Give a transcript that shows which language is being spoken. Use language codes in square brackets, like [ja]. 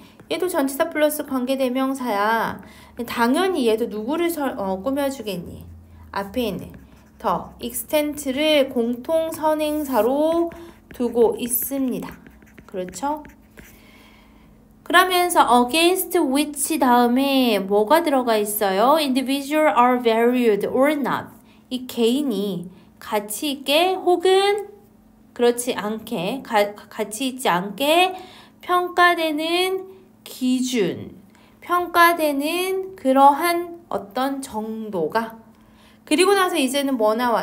[ko] 얘도 전치사 플러스 관계대명사야. 당연히 얘도 누구를 꾸며주겠니? 앞에 있는 더 익스텐트를 공통선행사로 두고 있습니다. 그렇죠? 그러면서 against which 다음에 뭐가 들어가 있어요? [en] individual are valued or not. [ko] 이 개인이 가치 있게 혹은 그렇지 않게, 가치 있지 않게 평가되는 기준, 평가되는 그러한 어떤 정도가. 그리고 나서 이제는 뭐 나와?